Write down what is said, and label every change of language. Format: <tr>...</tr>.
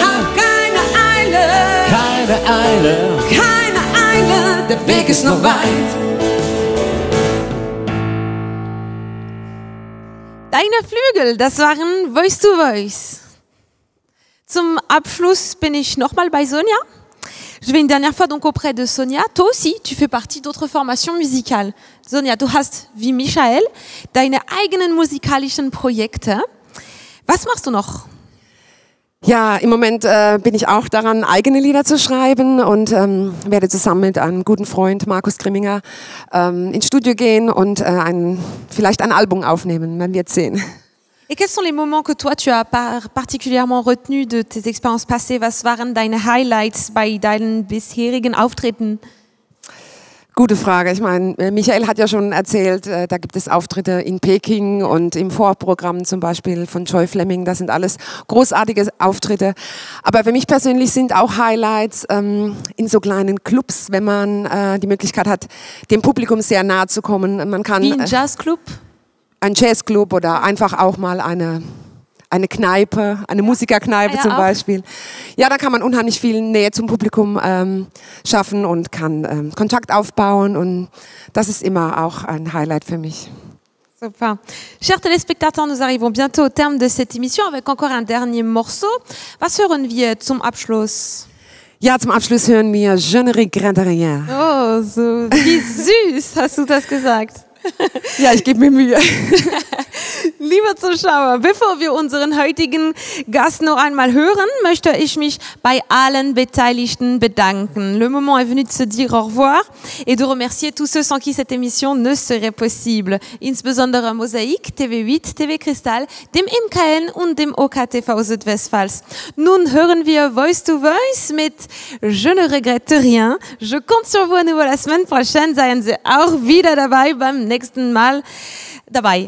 <de>Hab keine Eile. Keine Eile. Keine Eile. Der Weg ist noch weit. Deine Flügel, das waren Voice to Voice. Zum Abschluss bin ich nochmal bei Sonia.</de> <fr>Je vais une dernière fois donc auprès de Sonia. Toi aussi, tu fais partie d'autres formations musicales.</fr> <de>Sonia, du hast wie Michael deine eigenen musikalischen Projekte. Was machst du noch? Ja, im Moment bin ich auch daran, eigene Lieder zu schreiben und werde zusammen mit einem guten Freund, Markus Grimminger, ins Studio gehen und vielleicht ein Album aufnehmen. Man wird sehen.</de> <fr>Et quels sont les moments que toi tu as particulièrement retenu de tes expériences passées?</fr> <de>Was waren deine Highlights bei deinen bisherigen Auftritten? Gute Frage. Ich meine, Michael hat ja schon erzählt, da gibt es Auftritte in Peking und im Vorprogramm zum Beispiel von Joy Fleming. Das sind alles großartige Auftritte. Aber für mich persönlich sind auch Highlights in so kleinen Clubs, wenn man die Möglichkeit hat, dem Publikum sehr nahe zu kommen. Man kann, wie ein Jazzclub? Ein Jazzclub oder einfach auch mal eine Kneipe, eine Musikerkneipe zum Beispiel. Ja, da kann man unheimlich viel Nähe zum Publikum schaffen und kann Kontakt aufbauen. Und das ist immer auch ein Highlight für mich. Super.</de> <fr>Chers téléspectateurs, nous arrivons bientôt au terme de cette émission avec encore un dernier morceau.</fr> <de>Was hören wir zum Abschluss? Ja, zum Abschluss hören wir Je ne regrette rien. Oh, so wie süß hast du das gesagt. Ja, ich gebe mir Mühe. Lieber Zuschauer, bevor wir unseren heutigen Gast noch einmal hören, möchte ich mich bei allen Beteiligten bedanken.</de> <fr>Le moment est venu de se dire au revoir et de remercier tous ceux sans qui cette émission ne serait possible.</fr> <de>Insbesondere Mosaik, TV8, TV Cristal, dem MKN und dem OKTV Südwestfals. Nun hören wir Voice to Voice mit Je ne regrette rien.</de> <fr>Je compte sur vous à nouveau la semaine prochaine.</fr> <de>Seien Sie auch wieder dabei beim nächsten Mal dabei.</de>